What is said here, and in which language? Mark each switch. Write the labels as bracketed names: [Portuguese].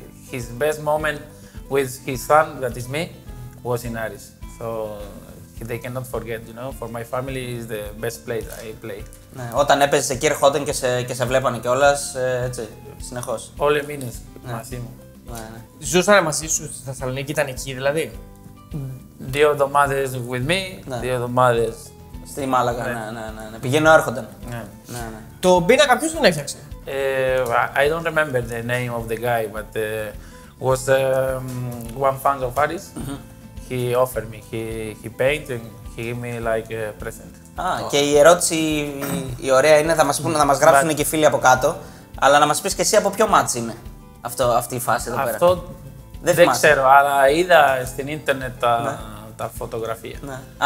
[English] His best moment with his son, that is me, was in Aris. So they cannot forget, you know. For my family is the best place I play. [Greek] Ναι, όταν έπαιζες εκεί ερχόταν και σε βλέπανε κιόλας, έτσι, συνεχώς. Όλοι οι μήνες μαζί μου. Ναι, ναι. Ζούσανε μαζί σου στη Θεσσαλονίκη, ήταν εκεί δηλαδή. Δύο εβδομάδες [English] with me, [Greek] ναι. Δύο εβδομάδες. Στη Μάλαγα, ναι, ναι, ναι. Πηγαίνω, έρχονταν. Ναι. Ναι, ναι. Το πίνακα ποιος τον έφτιαξε? [English] I don't remember the name of the guy, but was one fan of Paris. Mm-hmm. He offered me, he painted and he gave me like a present. Α, oh. [Greek] Και η ερώτηση η ωραία είναι, θα μας πούνε, θα μας γράψουν but... και φίλοι από κάτω, αλλά να μας πεις και εσύ από ποιο μάτς είναι αυτή η φάση εδώ πέρα. Αυτό δεν ξέρω, αλλά είδα στην ίντερνετ τα φωτογραφία. Ναι.